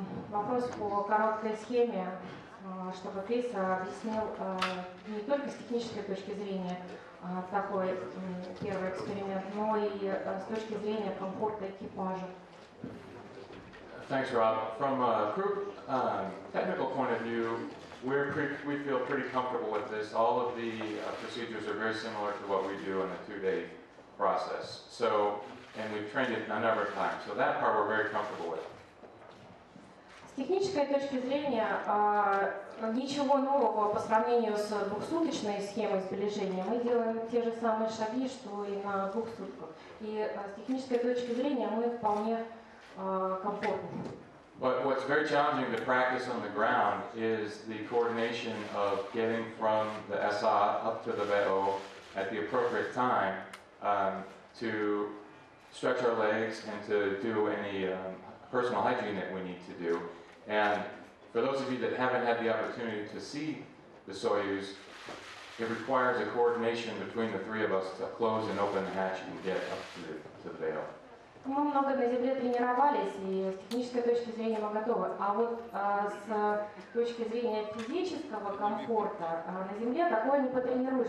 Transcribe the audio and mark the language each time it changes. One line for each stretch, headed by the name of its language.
Russian: Вопрос по короткой схеме, чтобы Крис объяснил не только с технической точки зрения такой первый эксперимент, но и с точки зрения комфорта экипажа.
English: Thanks, Rob. From a crew technical point of view, we feel pretty comfortable with this. All of the procedures are very similar to what we do in a two-day process. So, and we've trained it a number of times. So that part we're very comfortable with.
Russian: С технической точки зрения ничего нового по сравнению с двухсуточной схемой сближения. Мы делаем те же самые шаги, что и на двух сутках. И с технической точки зрения мы вполне комфортны.
English: But what's very challenging to practice on the ground is the coordination of getting from the SA up to the VO at the appropriate time to stretch our legs and to do any personal hygiene that we need to do. And for those of you that haven't had the opportunity to see the Soyuz, it requires a coordination between the three of us to close and open the hatch and get up to the VO.
Russian: Мы много на земле тренировались, и с технической точки зрения мы готовы. А вот с точки зрения физического комфорта на земле такое не потренируешь.